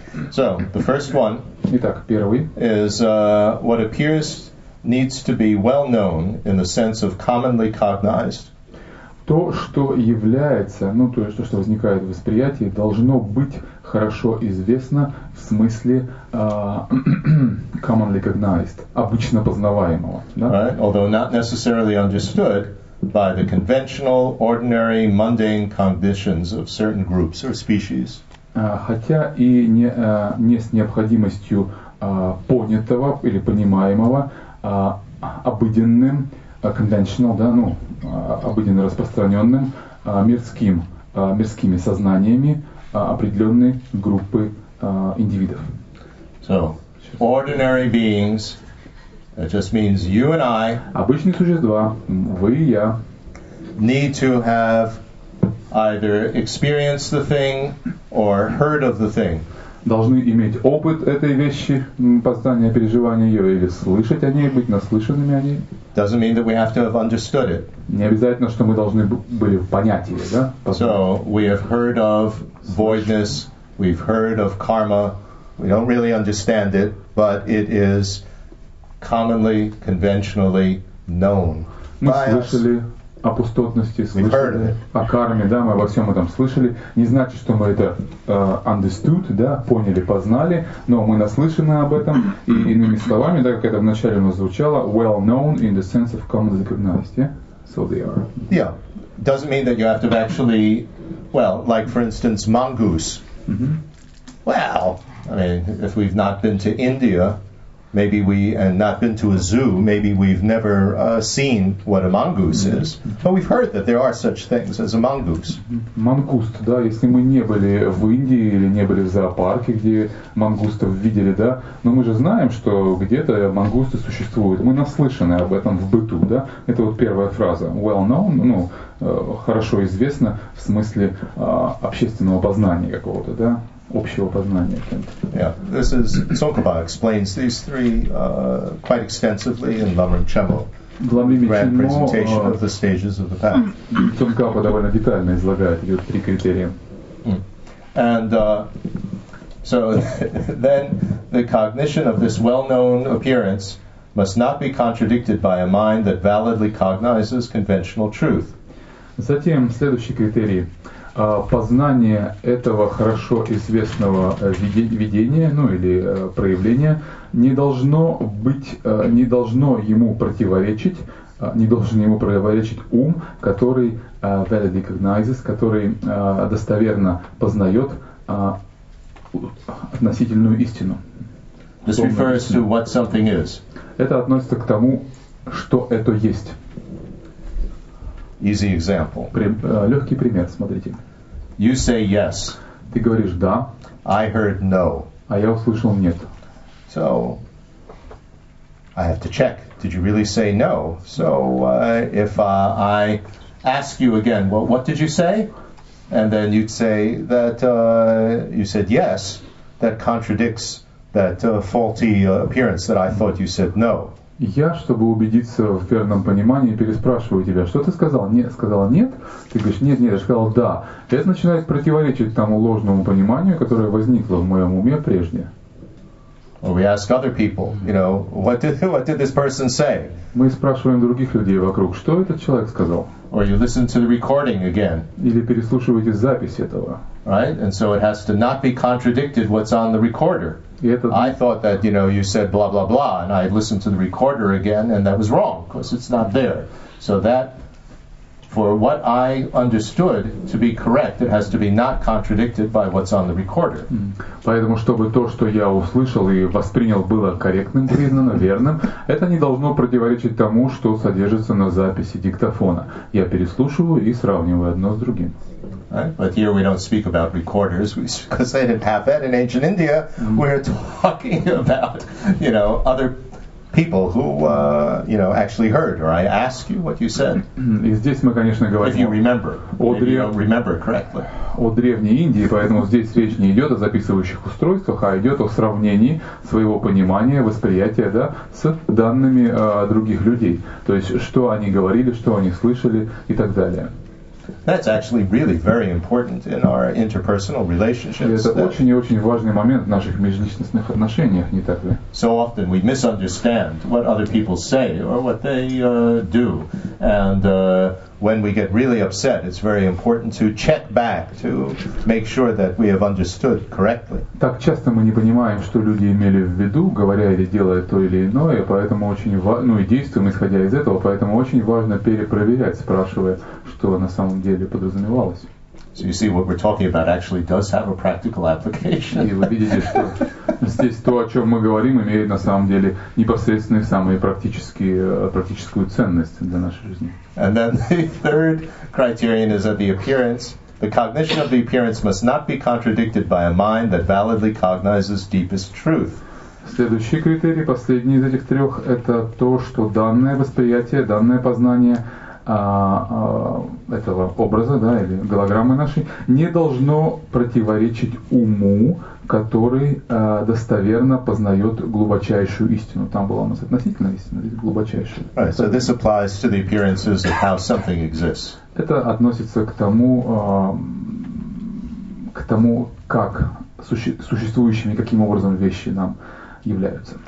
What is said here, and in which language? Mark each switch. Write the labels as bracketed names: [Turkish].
[English] So, the first one [Russian] Итак, первый. [English] Is what appears needs to be well known in the sense of commonly cognized. [Russian] То, что является, ну то есть то, что возникает в восприятии, должно быть хорошо известно в смысле [English] commonly cognized, [Russian] обычно познаваемого. Да? [English] Right. Although not necessarily understood by the conventional, ordinary, mundane conditions of certain groups or species. [Russian] Хотя и не с необходимостью понятого или понимаемого обыденным. Conventional, да, ну, обыденно распространенным мирскими сознаниями определенной группы индивидов. [English] So, ordinary beings, it just means you and I. [Russian] Обычные существа, вы и я. [English] Need to have either experienced the thing or heard of the thing. [Russian] Должны иметь опыт этой вещи, познание, переживание ее, или слышать о ней, быть наслышанными о ней. [English] Doesn't mean that we have to have understood it. [Russian] Не обязательно, что мы должны были понять ее, да? [English] So, we have heard of voidness, we've heard of karma, we don't really understand it, but it is commonly, conventionally known. [Russian] Мы слышали о пустотности, слышали о карме, да, мы обо всем этом слышали. Не значит, что мы это [English] understood, [Russian] да, поняли, познали, но мы наслышаны об этом. И иными словами, да, как это вначале у нас звучало, [English] well known in the sense of common recognized, yeah? So they are. Yeah, doesn't mean that you have to actually, well, like for instance, mongoose. Mm-hmm. Well, I mean, if we've not been to India, maybe we, and not been to a zoo, maybe we've never seen what a mongoose is. But we've heard that there are such things as a mongoose. [Russian] Мангуст, да, если мы не были в Индии или не были в зоопарке, где мангустов видели, да, но мы же знаем, что где-то мангусты существуют. Мы наслышаны об этом в быту, да. Это вот первая фраза. [English] Well known, [Russian] ну, хорошо известно в смысле общественного познания какого-то, да. Общего познания. [English] Yeah, this is Tsongkhapa explains these three quite extensively in Lamrim Chenmo. Lamrim Chenmo presentation of the stages of the path. [Russian] Tsongkhapa довольно детально излагает эти три критерия. [English] And so then the cognition of this well-known appearance must not be contradicted by a mind that validly cognizes conventional truth. [Russian] Затем следующий критерий. Познание этого хорошо известного видения, ну или проявления, не должно быть, не должно ему противоречить, не должен ему противоречить ум, который [English] validly recognizes, [Russian] который достоверно познает относительную истину. [English] This refers to what something is. [Russian] Это относится к тому, что это есть. [English] Easy example. [Russian] Легкий пример, смотрите. [English] You say yes. [Russian] Ты говоришь да. [English] I heard no. [Russian] А я услышал нет. [English] So I have to check. Did you really say no? So if I ask you again, well, what did you say? And then you'd say that you said yes. That contradicts that faulty appearance that I thought you said no. [Russian] Я, чтобы убедиться в верном понимании, переспрашиваю тебя, что ты сказал? Нет, сказала нет. Ты говоришь, нет, нет, я сказал да. И это начинает противоречить тому ложному пониманию, которое возникло в моем уме прежде. [English] Or we ask other people, you know, what did this person say? [Russian] Мы спрашиваем других людей вокруг, что этот человек сказал? [English] Or you listen to the recording again. [Russian] Или переслушиваете запись этого. [English] Right? And so it has to not be contradicted what's on the recorder. I thought that, you know, you said blah blah blah, and I listened to the recorder again, and that was wrong, because it's not there. So that, for what I understood to be correct, it has to be not contradicted by what's on the recorder. [Russian] Поэтому, чтобы то, что я услышал и воспринял, было корректным, признано верным, это не должно противоречить тому, что содержится на записи диктофона. Я переслушиваю и сравниваю одно с другим. [English] Right? But here we don't speak about recorders, because they didn't have that in ancient India. We're talking about, you know, other people who, you know, actually heard, or I ask you what you said. [Russian] И здесь мы, конечно, говорим. [English] If you remember, if you don't remember correctly. [Russian] О древней Индии, поэтому здесь речь не идет о записывающих устройствах, а идет о сравнении своего понимания, восприятия, да, с данными других людей. То есть, что они говорили, что они слышали и так далее. [English] That's actually really very important in our interpersonal relationships. [Russian] Это очень и очень важный момент в наших межличностных отношениях, не так ли? [English] So often we misunderstand what other people say or what they do, and when we get really upset, it's very important to check back to make sure that we have understood correctly. [Russian] Так часто мы не понимаем, что люди имели в виду, говоря или делая то или иное, поэтому очень важно, ну и действуем исходя из этого, поэтому очень важно перепроверять, спрашивая, что на самом деле подразумевалось. [English] So you see, what we're talking about actually does have a practical application. [Russian] И вы видите, что здесь то, о чем мы говорим, имеет на самом деле непосредственную самую практическую ценность для нашей жизни. [English] And then the third criterion is that the appearance, the cognition of the appearance must not be contradicted by a mind that validly cognizes deepest truth. [Russian] Следующий критерий, последний из этих трех, это то, что данное восприятие, данное познание этого образа, да, или голограммы нашей, не должно противоречить уму, который достоверно познает глубочайшую истину. Там была у нас относительная истина, здесь глубочайшая. [English] Right, so this applies to the appearances of how something exists. [Russian] Это относится к тому, как существующими, каким образом вещи нам являются.